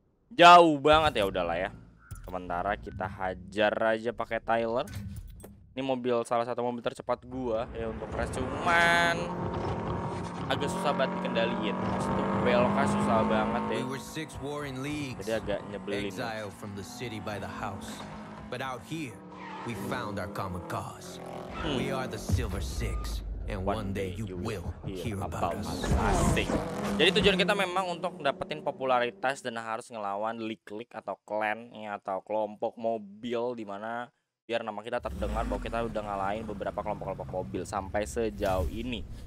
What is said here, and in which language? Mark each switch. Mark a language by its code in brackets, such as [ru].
[id] Jauh banget ya, udahlah ya. Sementara kita hajar aja pakai Tyler. Ini mobil, salah satu mobil tercepat gue ya untuk race, cuman agak susah banget dikendaliin. Untuk beloknya susah banget ya. Jadi agak nyebelin. [en] Exile from the city by the house. But out here we found our common cause. We are the Silver Six. And one day you will hear about us. [id] Asik. Jadi tujuan kita memang untuk dapetin popularitas dan harus ngelawan League atau clan atau kelompok mobil, dimana biar nama kita terdengar bahwa kita udah ngalahin beberapa kelompok-kelompok mobil sampai sejauh ini.